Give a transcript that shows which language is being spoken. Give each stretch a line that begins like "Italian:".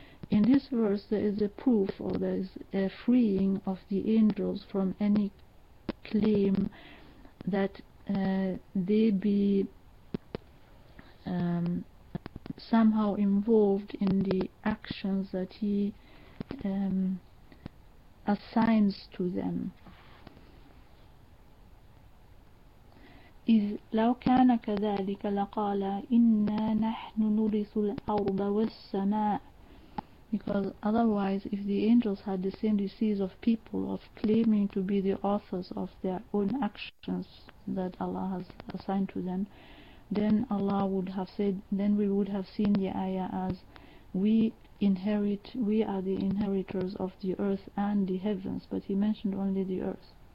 English: In this verse, there is a proof, or there is a freeing of the angels from any claim that they be somehow involved in the actions that he assigns to them.
Arabic: إذ لو كان كذلك لقال إنا نحن نورث الأرض والسماء.
English: Because otherwise, if the angels had the same disease of people of claiming to be the authors of their own actions that Allah has assigned to them, then Allah would have said, then we would have seen the ayah as we are the inheritors of the earth and the heavens, but he mentioned only the earth.